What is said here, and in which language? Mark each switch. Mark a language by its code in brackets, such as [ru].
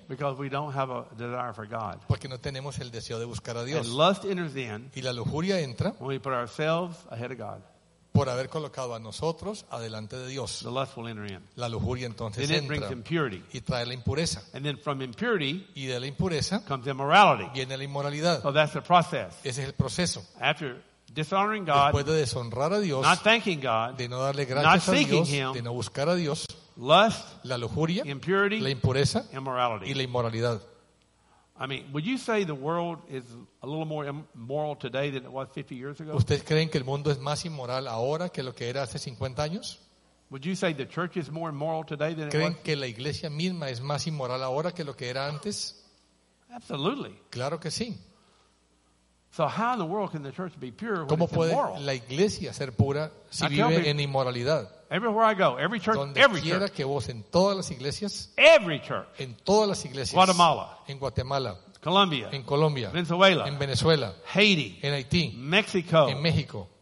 [en] Because we don't have a desire for God. [es] Porque no tenemos el deseo de buscar a Dios. [en] And lust enters in. [es] Y la lujuria entra. [en] When we put ourselves ahead of God. [es] Por haber colocado a nosotros adelante de Dios. [en] The lust will enter in. [es] La lujuria entonces [en] then [es] entra [en] it brings impurity. [es] Y trae la impureza. [en] And then from impurity [es] y de la impureza [en] comes immorality. [es] Viene la inmoralidad. [en] So that's the process. [es] Ese es el proceso. [en] After dishonoring God, [es] después de deshonrar a Dios, [en] not thanking God, [es] de no darle gracias [en] not seeking [es] a Dios, [en] him, [es] de no buscar a Dios, [en] lust, [es] la lujuria, [en] impurity, [es] la impureza, [en] immorality. [es] Y la inmoralidad. [en] I mean, would you say the world is a little more immoral today than it was 50 years ago? [es] ¿Ustedes creen que el mundo es más inmoral ahora que lo que era hace 50 años? [en] Would you say the church is more immoral today than it was? [es] ¿Creen que la iglesia misma es más inmoral ahora que lo que era antes? [en] Absolutely. [es] Claro que sí. [en] So how in the world can the church be pure when [es] ¿Cómo puede [en] it's immoral? [es] La iglesia ser pura si vive en inmoralidad? [en] Everywhere I go, every church, every church. [es] Que vos, en todas las iglesias, [en] every church. [es] En todas las iglesias. [en] Guatemala. [es] En Guatemala. [en] Colombia. [es] En Colombia. [en] Venezuela. [es] En Venezuela. [en] Haiti. [es] En Haití. [en] Mexico. [es] En México.